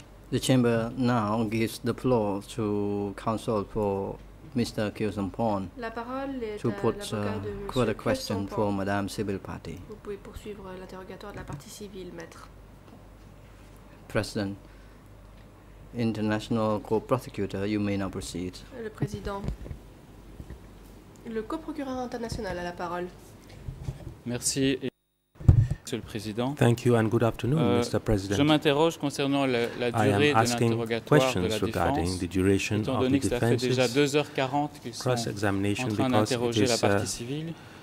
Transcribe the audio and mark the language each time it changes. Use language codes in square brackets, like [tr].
[en] The chamber now gives the floor to counsel for Mr. Kyusum Pon to put quote a question for Madame Civil Party. [fr] Vous pouvez poursuivre l'interrogatoire de la partie civile, maître. [en] President, International Court Prosecutor, you may now proceed. [fr] Le président, le coprocureur international a la parole. Merci. Monsieur le Président. [en] Thank you and good afternoon, Mr. President. [fr] Je m'interroge concernant la durée de l'interrogatoire de la défense, étant donné que ça fait déjà 2h40 qu'ils sont en train d'interroger la partie civile.